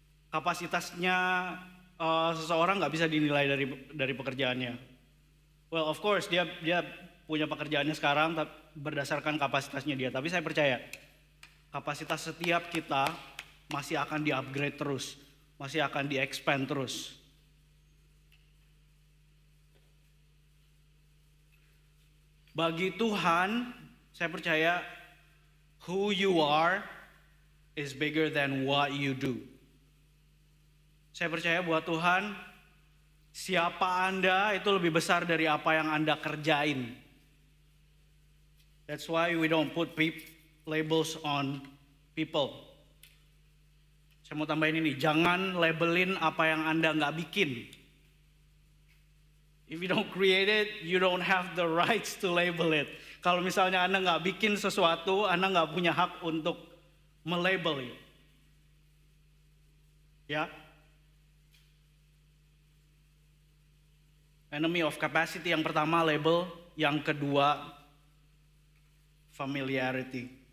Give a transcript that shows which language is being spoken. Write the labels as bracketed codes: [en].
[id] Kapasitasnya seseorang nggak bisa dinilai dari pekerjaannya. [en] Well, of course [id] dia punya pekerjaannya sekarang berdasarkan kapasitasnya dia. Tapi saya percaya kapasitas setiap kita masih akan di-upgrade terus, masih akan di-expand terus. Bagi Tuhan, saya percaya, [en] who you are is bigger than what you do. [id] Saya percaya buat Tuhan, siapa Anda itu lebih besar dari apa yang Anda kerjain. [en] That's why we don't put labels on people. [id] Saya mau tambahin ini, jangan labelin apa yang Anda nggak bikin. [en] If you don't create it, you don't have the rights to label it. [id] Kalau misalnya Anda nggak bikin sesuatu, Anda nggak punya hak untuk melabel it. Ya? [en] Enemy of capacity [id] yang pertama, [en] label. [id] Yang kedua, [en] familiarity.